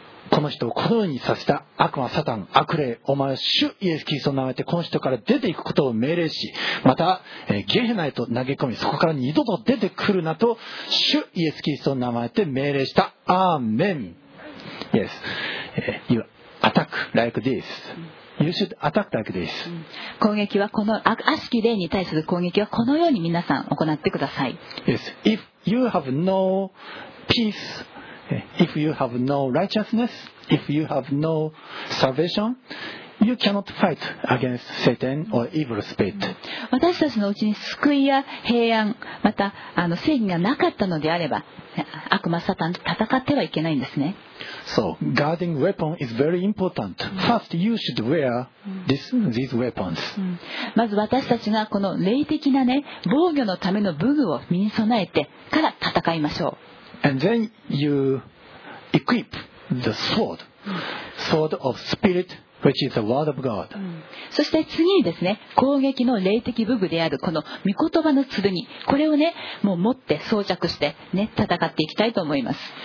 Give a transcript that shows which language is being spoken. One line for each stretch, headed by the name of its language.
Japanese: この人をこのようにさせた悪魔サタン悪霊、お前は主イエスキリストの名前でこの人から出ていくことを命令し、また、ゲヘナへと投げ込み、そこから二度と出てくるなと主イエスキリストの名前で命令した。
English: アーメン。Yes. You attack like this. You should attack like this.
Japanese: 攻撃はこの悪しき霊に対する攻撃はこのように皆さん行ってください。
English: Yes. If you have no peace, if you have no righteousness, if you have no salvation, you cannot fight against Satan or evil spirit.
Japanese: 私たちのうちに救いや平安、また正義がなかったのであれば、悪魔サタンと戦ってはいけないんですね。
English: So, guarding weapon is very important. First, you should wear these weapons.
Japanese: まず私たちがこの霊的な、ね、防御のための武具を身に備えてから戦いましょう。
English: And then you equip the sword, sword of spirit, which is the word of God.
Japanese: そして次にですね、攻撃の霊的武具であるこの御言葉の剣、これをね、もう持って装着して、ね、戦っていきたいと思います。